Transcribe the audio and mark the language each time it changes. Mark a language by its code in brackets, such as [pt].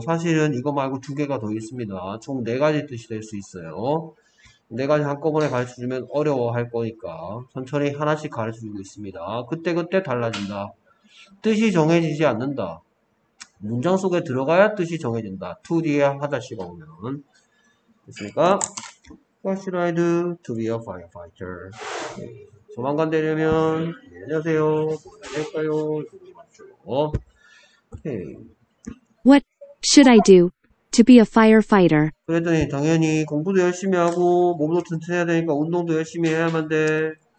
[ko] 사실은 이거 말고 두 개가 더 있습니다. 총 네 가지 뜻이 될 수 있어요. 네 가지 한꺼번에 가르쳐주면 어려워할 거니까 천천히 하나씩 가르쳐주고 있습니다. 그때그때 달라진다. 뜻이 정해지지 않는다. 문장 속에 들어가야 뜻이 정해진다. 2 뒤에 하다시가 오면. 됐습니까? [en] What should I do to be a firefighter? [ko] 소방관 되려면 네, 안녕하세요. 뭐 해야 될까요? 맞죠. [en] Hey. What should I do to be a firefighter. [ko] 그랬더니 당연히 공부도 열심히 하고 몸도 튼튼해야 되니까 운동도 열심히 해야만 돼.